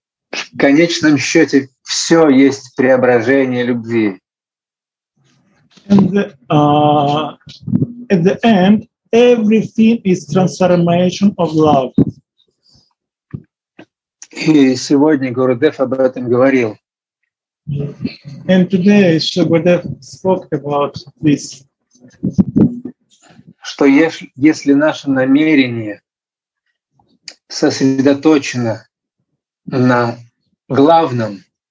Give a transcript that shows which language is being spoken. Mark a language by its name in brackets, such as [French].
[Russian] В конечном счете все есть преображение любви. [English] And at the end, everything is transformation of love. [Russian] И сегодня Гурудев об этом говорил. [English] And today, Шри Гурудев spoke about this. [Russian] Что если наше намерение сосредоточено на главном,